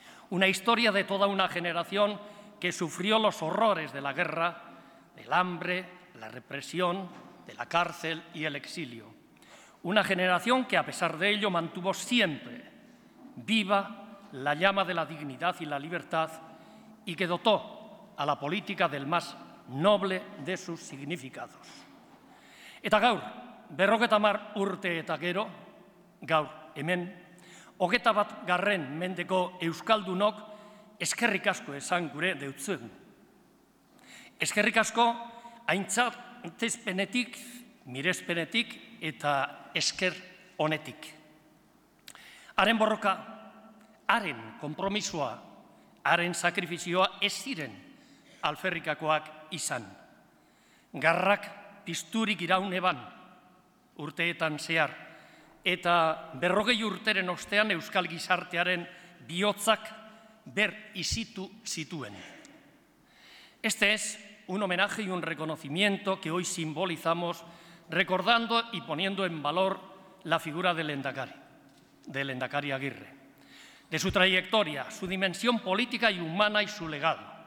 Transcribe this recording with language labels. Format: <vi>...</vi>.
<es>Una historia de toda una generación que sufrió los horrores de la guerra, del hambre, la represión, de la cárcel y el exilio. Una generación que, a pesar de ello, mantuvo siempre viva la llama de la dignidad y la libertad y que dotó a la política del más noble de sus significados.</es> <eu>Eta gaur, 50 urte eta gero, gaur hemen, 21. Mendeko euskaldunok eskerrik asko esan gure deutzegu. Eskerrik asko aintzatespenetik, mirespenetik eta esker honetik. Haren borroka, haren konpromisoa, haren sakrifizioa ez ziren alferrikakoak izan. Garrak pizturik iraun eban urteetan zehar, eta 40 urteren ostean euskal gizartearen bihotzak ber izitu zituen.</eu> <es>Este es un homenaje y un reconocimiento que hoy simbolizamos recordando y poniendo en valor la figura del lehendakari, del lehendakari Aguirre, de su trayectoria, su dimensión política y humana y su legado.</es>